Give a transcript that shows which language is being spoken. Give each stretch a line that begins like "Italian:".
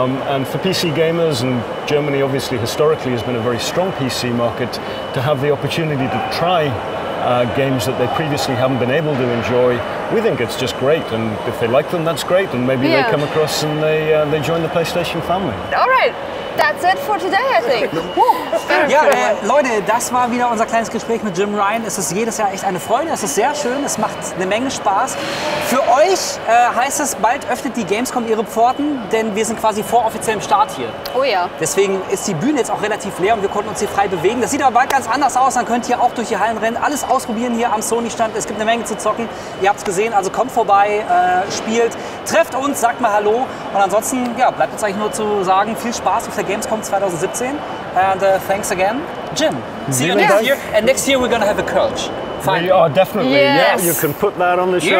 English: And for PC gamers, and Germany obviously historically has been a very strong PC market, to have the opportunity to try games that they previously haven't been able to enjoy, we think it's just great. And if they like them, that's great. And maybe they come across and they join the PlayStation family. All right. That's it for today, I think.
German: Ja, Leute, das war wieder unser kleines Gespräch mit Jim Ryan. Es ist jedes Jahr echt eine Freude. Es ist sehr schön. Es macht eine Menge Spaß. Für euch heißt es, bald öffnet die Gamescom ihre Pforten, denn wir sind quasi vor offiziellem Start hier. Oh ja. Deswegen ist die Bühne jetzt auch relativ leer und wir konnten uns hier frei bewegen. Das sieht aber bald ganz anders aus. Dann könnt ihr auch durch die Hallen rennen, alles ausprobieren hier am Sony-Stand. Es gibt eine Menge zu zocken. Ihr habt es gesehen, also kommt vorbei, spielt, trefft uns, sagt mal Hallo. Und ansonsten ja, bleibt jetzt eigentlich nur zu sagen, viel Spaß auf der Gamescom 2017.
English: And thanks again, Jim. See you next year. And next year we're going to have a Kölsch. Fine. Oh, definitely. Yes. Yeah, you can put that on the show.